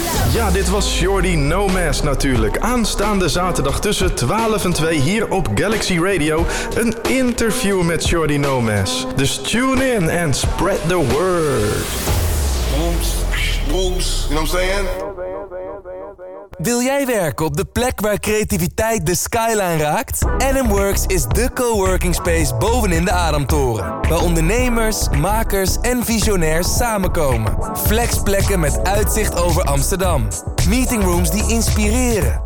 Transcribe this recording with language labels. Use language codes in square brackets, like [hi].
[nl] Ja, dit was Shorty Nomass natuurlijk. Aanstaande zaterdag tussen 12 en 2 hier op Galaxy Radio. Een interview met Shorty Nomass. Dus [en] tune in and spread the word. Booms, booms, you know what I'm saying? [nl] Wil jij werken op de plek waar creativiteit de skyline raakt? Animworks is de coworking space bovenin de Ademtoren. Waar ondernemers, makers en visionairs samenkomen. Flexplekken met uitzicht over Amsterdam. Meetingrooms die inspireren.